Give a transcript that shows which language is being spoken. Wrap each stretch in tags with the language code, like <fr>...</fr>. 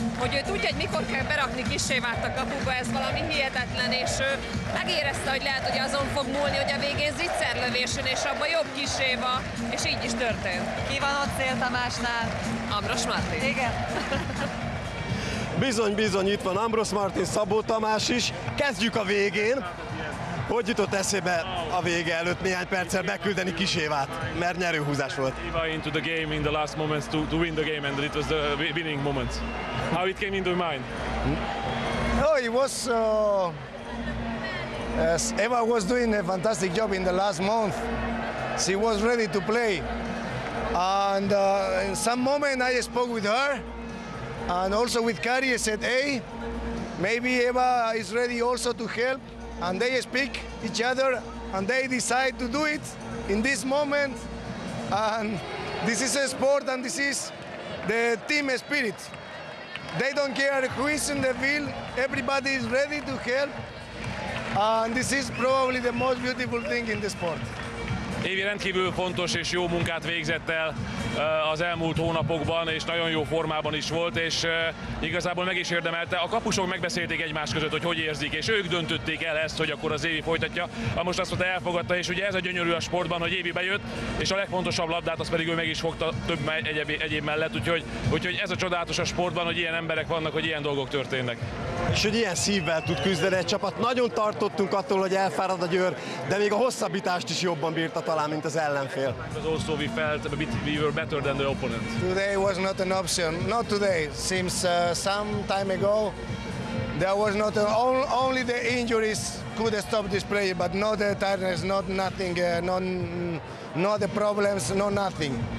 <hu>Hogy ő tudja, hogy mikor kell berakni Kis Évát a kapuba, ez valami hihetetlen, és ő megérezte, hogy lehet, hogy azon fog múlni, hogy a végén zicser lövésön, és abban jobb Kis Éva, és így is történt. Ki van ott Cél Tamásnál? Ambrós Martin. Igen. Bizony, itt van Ambrós Martin, Szabó Tamás is. Kezdjük a végén. Hogy jutott eszébe a vége előtt néhány perccel beküldeni Kis Évát, mert nyerő húzás volt.</hu> <en>Eva into the game in the last moments to win the game, and it was the winning moment. How it came into your mind? Oh, it was as Eva was doing a fantastic job in the last month. She was ready to play, and in some moment I spoke with her, and also with Kari. I said, hey, maybe Eva is ready also to help. And they speak each other, and they decide to do it in this moment. And this is a sport and this is the team spirit. They don't care who is in the field. Everybody is ready to help. And this is probably the most beautiful thing in the sport.</en> <hu>Évi rendkívül fontos és jó munkát végzett el az elmúlt hónapokban, és nagyon jó formában is volt, és igazából meg is érdemelte. A kapusok megbeszélték egymás között, hogy hogy érzik, és ők döntötték el ezt, hogy akkor az Évi folytatja. A most azt mondta, elfogadta, és ugye ez a gyönyörű a sportban, hogy Évi bejött, és a legfontosabb labdát az pedig ő meg is fogta több egyéb mellett, úgyhogy ez a csodálatos a sportban, hogy ilyen emberek vannak, hogy ilyen dolgok történnek. És hogy ilyen szívvel tud küzdeni egy csapat. Nagyon tartottunk attól, hogy elfárad a Győr, de még a hosszabbítást is jobban bírta talán, mint az ellenfél.</hu> <en>Also we felt a bit, we were better than the opponent. Today was not an option. Not today. Seems some time ago there was not only the injuries could stop this player, but not the tiredness, not nothing, not the problems, not nothing.</en>